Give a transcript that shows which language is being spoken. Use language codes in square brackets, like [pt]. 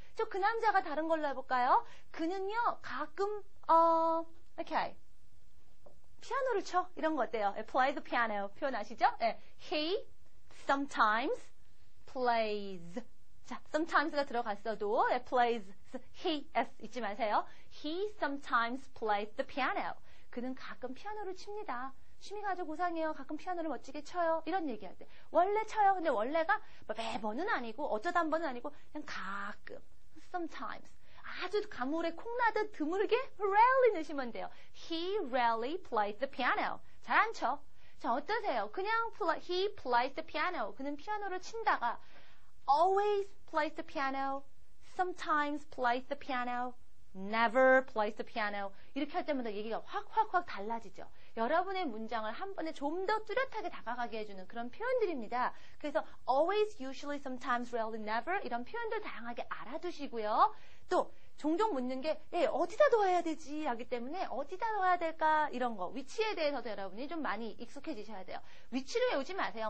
[ko] 저 그 남자가 다른 걸로 해볼까요? 그는요, 가끔, okay. 피아노를 쳐? 이런 거 어때요? [en] Play the piano. [ko] 표현 아시죠? 네. [en] He sometimes plays. [ko] 자, sometimes가 들어갔어도 plays. He's 잊지 마세요. [en] He sometimes plays the piano. [ko] 그는 가끔 피아노를 칩니다. 취미가 아주 고상해요. 가끔 피아노를 멋지게 쳐요. 이런 얘기할 때. 원래 쳐요. 근데 원래가 매번은 아니고 어쩌다 한 번은 아니고 그냥 가끔. [en] Sometimes. [ko] 아주 가물에 콩나듯 드물게 rarely 넣으시면 돼요. [en] He rarely plays the piano. [ko] 잘 안 쳐. 자, 어떠세요? [en] 그냥 he plays the piano. [ko] 그는 피아노를 친다가 [en] always plays the piano, sometimes plays the piano, never plays the piano. [ko] 이렇게 할 때마다 얘기가 확확확 달라지죠. 여러분의 문장을 한 번에 좀 더 뚜렷하게 다가가게 해주는 그런 표현들입니다. 그래서 always, usually, sometimes, rarely, never 이런 표현들 다양하게 알아두시고요. 또 종종 묻는 게 예, 어디다 둬야 되지 하기 때문에 어디다 둬야 될까 이런 거 위치에 대해서도 여러분이 좀 많이 익숙해지셔야 돼요. 위치를 외우지 마세요.